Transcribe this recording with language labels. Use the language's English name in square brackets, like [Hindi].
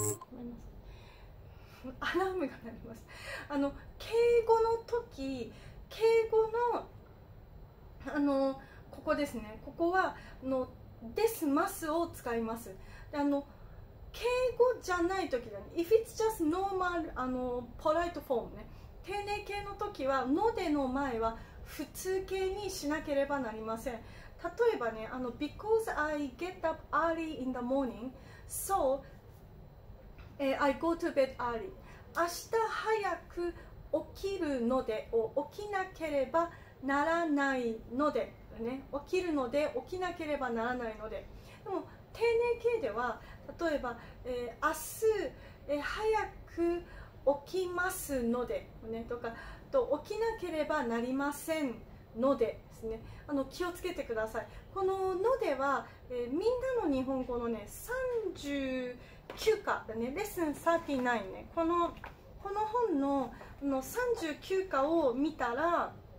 [Japanese] ごめんなさい。アラームが鳴ります。あの敬語の時敬語のあのここですね。ここはのですますを使います。で、あの敬語じゃないときだね。 [English] If it's just normal, あの polite form ね。 [Japanese] 丁寧形のときは、のでの前は普通形にしなければなりません。例えばね、あの [English] Because I get up early in the morning, so I go to bed early. [Japanese] 明日早く起きるのでを起きなければならないので、ね、起きるので起きなければならないので。でも丁寧形では、例えば、明日、早く起きますので、ね、とかと起きなければなりませんの ですね、あの気をつけてくださいこののでは、みんなの日本語の、ね、39課、ね、レッスン39、ね、この本 の39課を見たら